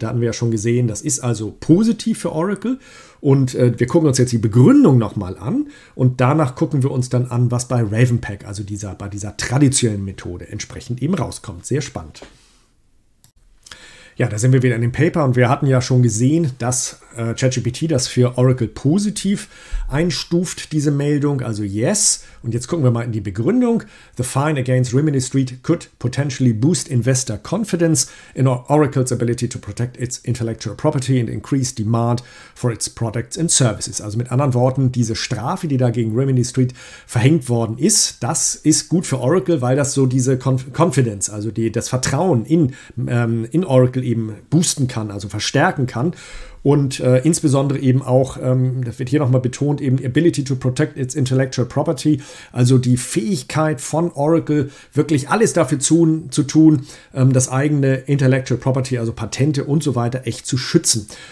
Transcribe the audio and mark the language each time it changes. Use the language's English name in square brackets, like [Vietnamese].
[German] Da hatten wir ja schon gesehen, das ist also positiv für Oracle. Und wir gucken uns jetzt die Begründung nochmal an und danach gucken wir uns dann an, was bei Ravenpack, also bei dieser traditionellen Methode, entsprechend eben rauskommt. Sehr spannend. Ja, da sind wir wieder in dem Paper und wir hatten ja schon gesehen, dass ChatGPT das für Oracle positiv einstuft, diese Meldung, also yes. Und jetzt gucken wir mal in die Begründung. [English] The fine against Rimini Street could potentially boost investor confidence in Oracle's ability to protect its intellectual property and increase demand for its products and services. [German] Also mit anderen Worten, diese Strafe, die da gegen Rimini Street verhängt worden ist, das ist gut für Oracle, weil das so diese Confidence, also das Vertrauen in Oracle eben boosten kann, also verstärken kann. Und insbesondere eben auch, das wird hier nochmal betont, eben [English] Ability to protect its intellectual property, [German] also die Fähigkeit von Oracle, wirklich alles dafür zu tun, das eigene intellectual property, also Patente und so weiter, echt zu schützen.